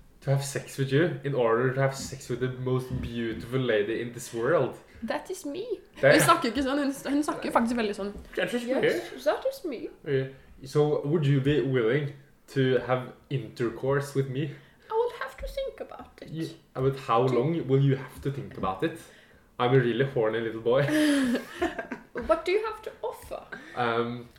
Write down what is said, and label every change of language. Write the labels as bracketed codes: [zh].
[en] to have sex with you, in order to have sex with the most beautiful lady in this world. That is me. [no] Hun snakker jo ikke sånn, hun snakker jo faktisk veldig sånn. [en] That is me. So, would you be willing to have intercourse with me? I would have to think about it. Yeah, but how long will you have to think about it? I'm a really horny little boy. What do you have to offer?